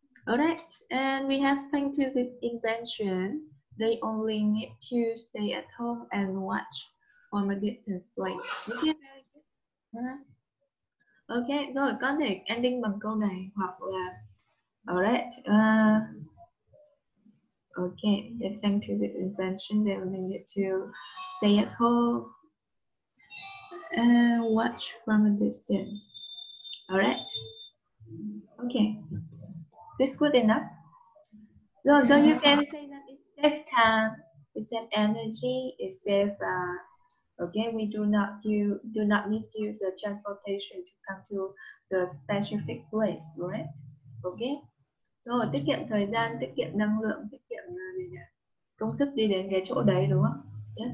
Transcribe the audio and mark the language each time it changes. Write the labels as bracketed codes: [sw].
[en] Alright, and we have thanks to this invention. They only need to stay at home and watch from a distance like. Okay, very good. Okay, so [vi] có thể ending bằng câu này hoặc là alright. [en] Okay, yeah, thanks to the invention, they only need to stay at home and watch from a distance. Alright. Okay. This good enough. So you can say that it saves time, it saves energy, it saves we do not need to use the transportation to come to the specific place, right? Okay. [vi] Rồi tiết kiệm thời gian, tiết kiệm năng lượng, tiết kiệm công sức đi đến cái chỗ đấy đúng không?